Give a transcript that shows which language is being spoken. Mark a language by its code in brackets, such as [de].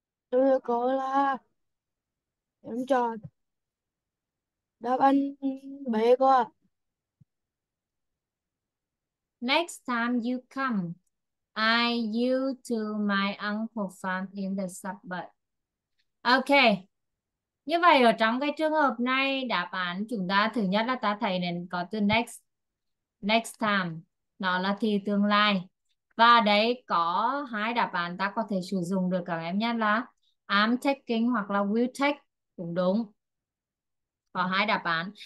[vi] Tôi có là em chọn đáp án B cơ. [en] Next time you come, I you to my uncle farm in the suburb. Ok. [vi] Như vậy ở trong cái trường hợp này, đáp án chúng ta thứ nhất là ta thấy nên có từ next. Next time. nó là thì tương lai. Và đấy có hai đáp án ta có thể sử dụng được các em nhé, là am taking hoặc là will take, cũng đúng. Có hai đáp án.